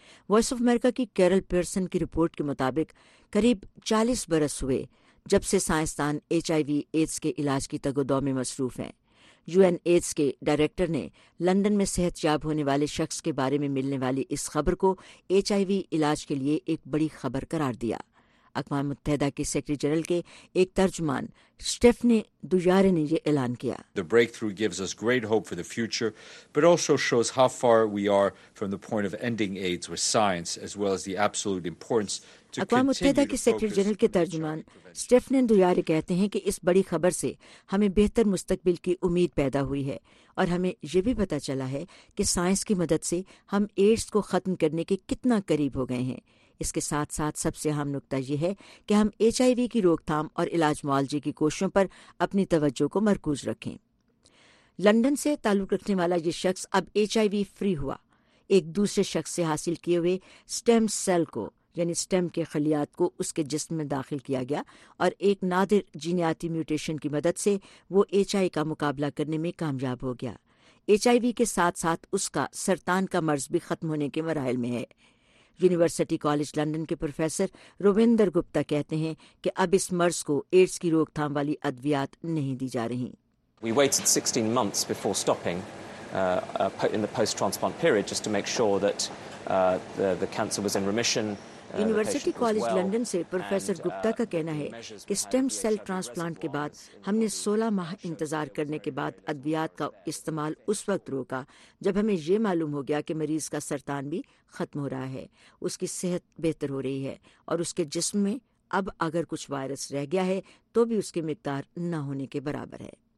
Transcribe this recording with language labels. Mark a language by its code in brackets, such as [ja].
[ur] Voice of America کی Kerala Pearson کی report کے مطابق قریب 40 برس ہوئے جب سے سائنسدان ایچ آئی وی ایڈس کے علاج کی تگ و دو میں مصروف ہیں۔ یو این ایڈس کے ڈائریکٹر نے لندن میں صحت یاب ہونے والے شخص کے بارے میں ملنے والی اس خبر کو ایچ آئی وی علاج کے لیے ایک بڑی خبر قرار دیا۔ اقوام متحدہ کے سیکرٹری جنرل کے ایک ترجمان سٹیفنی دویارے نے یہ اعلان کیا۔ [en] The breakthrough gives us great hope for the future, but also shows how far we are from the point of ending AIDS with science, as well as the absolute importance to [ur] اقوام متحدہ کے secretary general کے ترجمان سٹیفنی دویارے کہتے ہیں کہ اس بڑی خبر سے ہمیں بہتر مستقبل کی امید پیدا ہوئی ہے، اور ہمیں یہ بھی پتا چلا ہے کہ سائنس کی مدد سے ہم ایڈز کو ختم کرنے کے کتنا قریب ہو گئے ہیں۔ اس کے ساتھ ساتھ سب سے اہم نقطہ یہ ہے کہ ہم ایچ آئی وی کی روک تھام اور علاج معالجے کی کوششوں پر اپنی توجہ کو مرکوز رکھیں۔ لندن سے تعلق رکھنے والا یہ شخص اب ایچ آئی وی فری ہوا۔ ایک دوسرے شخص سے حاصل کیے ہوئے سٹیم سیل کو، یعنی سٹیم کے خلیات کو، اس کے جسم میں داخل کیا گیا، اور ایک نادر جینیاتی میوٹیشن کی مدد سے وہ ایچ آئی کا مقابلہ کرنے میں کامیاب ہو گیا۔ ایچ آئی وی کے ساتھ ساتھ اس کا سرطان کا مرض بھی ختم ہونے کے مراحل میں ہے۔ یونیورسٹی کالج لندن کے پروفیسر روویندر گپتا کہتے ہیں کہ اب اس مرض کو ایڈز کی روک تھام والی ادویات نہیں دی جا رہی۔ [en] We waited 16 months before stopping in the post-transplant period just to make sure that the cancer was in remission. [ur] University college London سے پروفیسر گپتا کا کہنا ہے کہ سٹیم سیل ٹرانسپلانٹ کے بعد ہم نے 16 ماہ انتظار کرنے کے بعد ادویات کا استعمال اس وقت روکا جب ہمیں یہ معلوم ہو گیا کہ مریض کا سرطان بھی ختم ہو رہا ہے، اس کی صحت بہتر ہو رہی ہے، اور اس کے جسم میں اب اگر کچھ وائرس رہ گیا ہے تو بھی اس کی مقدار نہ ہونے کے برابر ہے۔